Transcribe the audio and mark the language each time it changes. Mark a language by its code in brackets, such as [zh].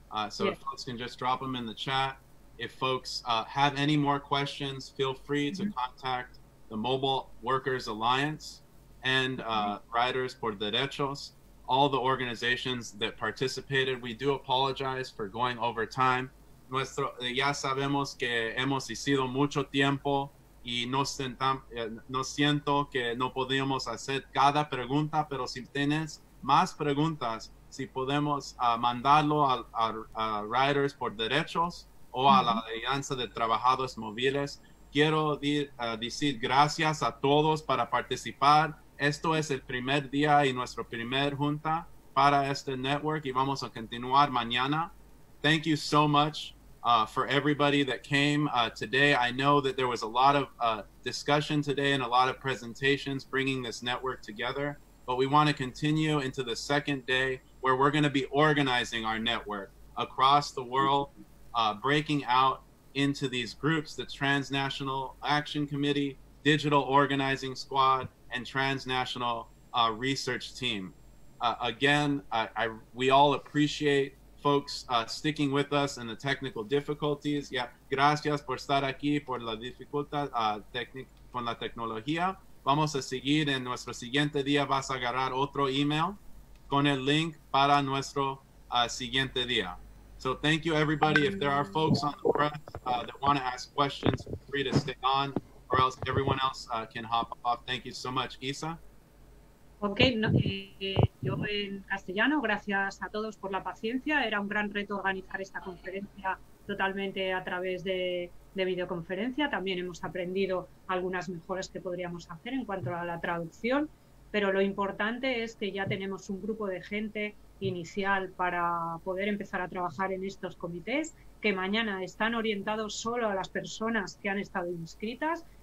[en] So if folks can just drop them in the chat. If folks have any more questions, feel free to contact the Mobile Workers Alliance and Riders por Derechos, all the organizations that participated. We do apologize for going over time. [es] Nuestro, ya sabemos que hemos sido mucho tiempo y no siento que no podíamos hacer cada pregunta, pero si tienes más preguntas, si podemos mandarlo a Riders por Derechos o a la Alianza de Trabajadores Móviles. Quiero decir gracias a todos para participar. Esto es el primer día y nuestra primer junta para este network, y vamos a continuar mañana. [en] Thank you so much for everybody that came today. I know that there was a lot of discussion today and a lot of presentations bringing this network together, but we want to continue into the second day where we're going to be organizing our network across the world, breaking out into these groups, the Transnational Action Committee, Digital Organizing Squad, and Transnational Research Team. Again, we all appreciate folks sticking with us and the technical difficulties. [es] Yeah, gracias por estar aquí por la dificultad técnica con la tecnología. Vamos a seguir en nuestro siguiente día. Vas a agarrar otro email con el link para nuestro siguiente día. [en] So thank you, everybody. If there are folks on the press that want to ask questions, feel free to stay on, or else everyone else can hop off. Thank you so much, Isa. [es] Okay, no, yo en castellano, gracias a todos por la paciencia. Era un gran reto organizar esta conferencia totalmente a través de videoconferencia. También hemos aprendido algunas mejoras que podríamos hacer en cuanto a la traducción, pero lo importante es que ya tenemos un grupo de gente inicial para poder empezar a trabajar en estos comités, que mañana están orientados solo a las personas que han estado inscritas.